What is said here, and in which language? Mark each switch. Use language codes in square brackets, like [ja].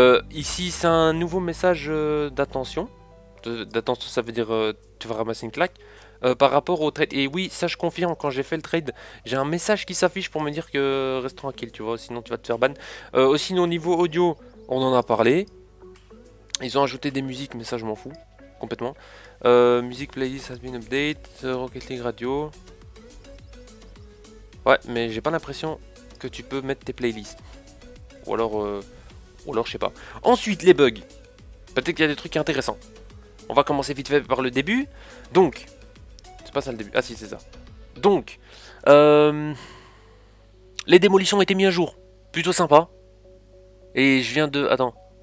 [fr] Ici, c'est un nouveau message d'attention. D'attention, ça veut dire tu vas ramasser une claque. Par rapport au trade, et oui, ça je confirme, quand j'ai fait le trade, j'ai un message qui s'affiche pour me dire que reste tranquille, tu vois, sinon tu vas te faire ban. Sinon, au niveau audio, on en a parlé. Ils ont ajouté des musiques, mais ça je m'en fous, complètement. [en] Musique playlist has been update, Rocket League Radio. [fr] Ouais, mais j'ai pas l'impression que tu peux mettre tes playlists. Ou alors, je sais pas. Ensuite, les bugs. Peut-être qu'il y a des trucs intéressants. On va commencer vite fait par le début. Donc. Pas ça le début. Ah si, c'est ça. Donc, les démolitions ont été mises à jour. Plutôt sympa. Et je viens de. Attends.